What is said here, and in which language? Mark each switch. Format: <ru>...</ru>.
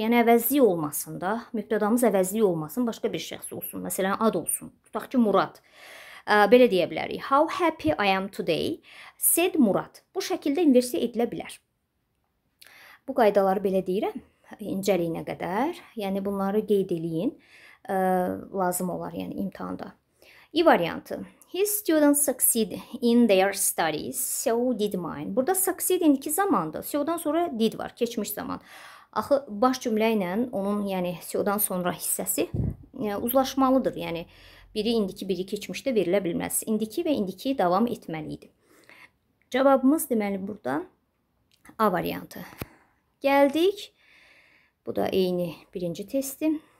<az>Yəni, əvəzli olmasında, mübtədamız əvəzli olmasın, başqa bir şəxs olsun. Məsələn, ad olsun. Tutaq ki, Murad. Belə deyə bilərik.</az> <en>How happy I am today, said Murad.</en> <az>Bu şəkildə inversiya edilə bilər. Bu qaydaları belə deyirəm, incəliyinə qədər. Yəni, bunları qeyd eləyin. Lazım olar, yəni, imtihanda. İ variantı.</az> <en>His students succeed in their studies, so did mine.</en> <az>Burada succeed indiki zamandır. So-dan sonra did var, keçmiş zaman. Axı, baş cümlə ilə onun, yəni, so-dan sonra hissəsi uzlaşmalıdır. Yəni, biri indiki, biri keçmişdə verilə bilməz. İndiki və indiki davam etməli idi. Cavabımız, deməli, burada A variantı. Gəldik, bu da eyni birinci testi.</az>